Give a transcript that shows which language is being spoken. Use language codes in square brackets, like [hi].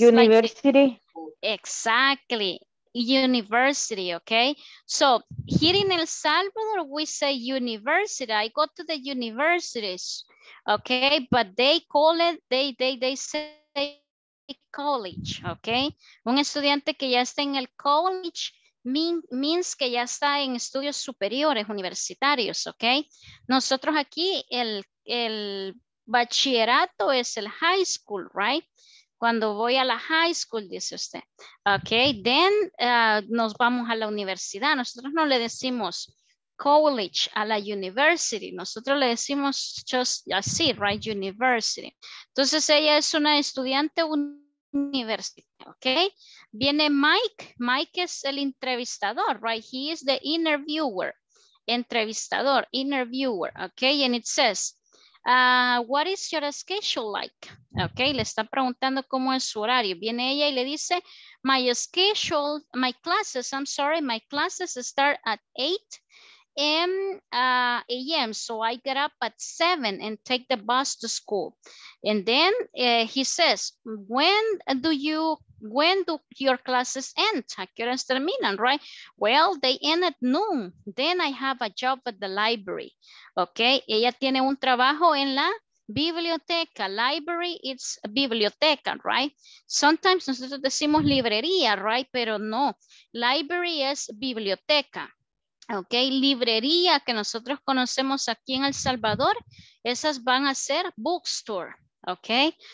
[en] university. Like the, exactly. university, okay? So here in El Salvador, we say university. I go to the universities, okay? But they call it, they say college, okay? [es] Un estudiante que ya está en el college means que ya está en estudios superiores, universitarios, okay? Nosotros aquí, el bachillerato es el high school, right? Cuando voy a la high school, dice usted. Okay, then nos vamos a la universidad. Nosotros no le decimos college a la university. Nosotros le decimos just así, right, university. Entonces ella es una estudiante universitaria, okay? Viene Mike. Mike es el entrevistador, right? [en] He is the interviewer, entrevistador, interviewer, okay? And it says, what is your schedule like? [es] Okay, le está preguntando cómo es su horario. Viene ella y le dice, [en] my classes start at 8 a.m. So I get up at 7 and take the bus to school. And then he says, when do your classes end? [es] ¿A qué horas terminan, [en] right? Well, they end at noon. Then I have a job at the library. [es] Okay, ella tiene un trabajo en la biblioteca. [en] Library, it's a biblioteca, right? Sometimes [es] nosotros decimos librería, [en] right? [es] Pero no, library es biblioteca. Ok, librería que nosotros conocemos aquí en El Salvador, esas van a ser bookstore, ok.